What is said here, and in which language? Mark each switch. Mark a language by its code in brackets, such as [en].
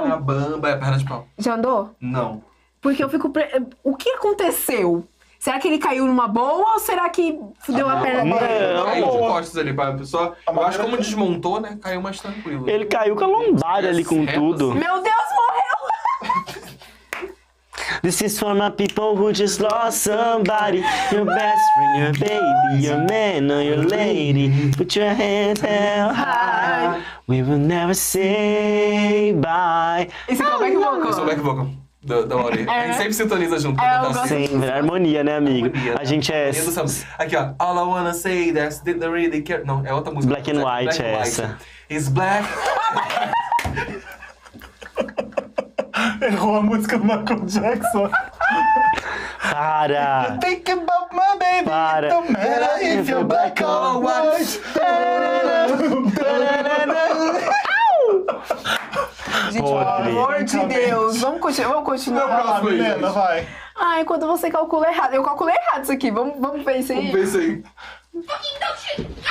[pt] Perna bamba, é perna de pau. Já andou? Não. Porque eu fico... O que aconteceu? Será que ele caiu numa boa ou será que fudeu a perna? Não, caiu de costas ali, pai. Pessoal, eu acho que como desmontou, né? Caiu mais tranquilo. Ele caiu com a lombada ali com tudo. Assim. Meu Deus, morreu! [en] This is for my people who just lost somebody. Your best friend, your baby, your man or your lady. Put your hands held high. We will never say bye. [pt] Isso é o back vocal. Isso é o back vocal. Da Maurinha. A gente sempre sintoniza junto. É, eu gosto. Sempre. Harmonia, né, amigo? Harmonia, a gente é... Aqui, ó. [en] All I wanna say that's the really care... [pt] Não, é outra música. [en] Black and White, black é white. [pt] Essa. [en] It's black... [pt] Errou a música do Michael Jackson. Para! [en] You think about my baby, [pt] para. [en] It don't matter if you're black or white. [pt] Gente, pelo amor de Deus, vamos continuar. Vai. Ai, quando você calcula errado, eu calculei errado isso aqui. Vamos ver isso aí. Vamos ver isso aí. [en] Fucking don't you.